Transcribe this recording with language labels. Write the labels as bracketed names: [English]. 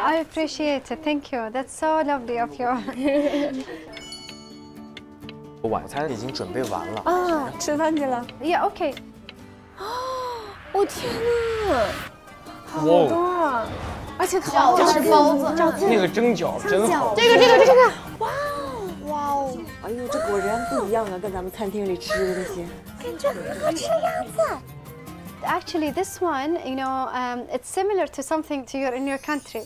[English] I appreciate it. Thank you. That's so lovely of you. [Chinese] 我晚餐已经准备完了啊，吃饭去了。 [English] Yeah, OK。哦， [Chinese] 我天哪，好多啊！而且饺子、包子，那个蒸饺真好。这个，哇哦，哇哦！哎呦，这果然不一样啊，跟咱们餐厅里吃的那些。感觉好吃鸭子。 [English] Actually, this one, you know, it's similar to something to your in your country.